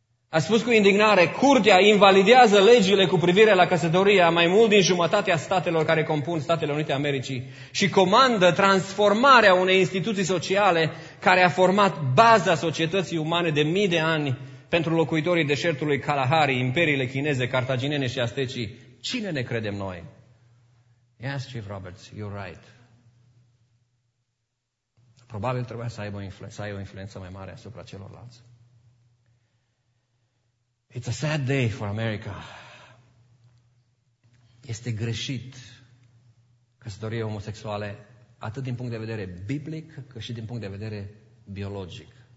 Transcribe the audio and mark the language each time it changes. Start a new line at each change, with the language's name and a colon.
Romanian: A spus cu indignare, curtea invalidează legile cu privire la căsătoria mai mult din jumătatea statelor care compun Statele Unite Americii și comandă transformarea unei instituții sociale care a format baza societății umane de mii de ani pentru locuitorii deșertului Kalahari, imperiile chineze, cartaginene și astecii. Cine ne credem noi?
English: Yes, Chief Roberts, you're right.
Romanian: Probabil trebuia să aibă o influență mai mare asupra celorlalți.
English: It's a sad day for America.
Romanian: Este greșit căsătoria omosexuală atât din punct de vedere biblic, cât și din punct de vedere biologic.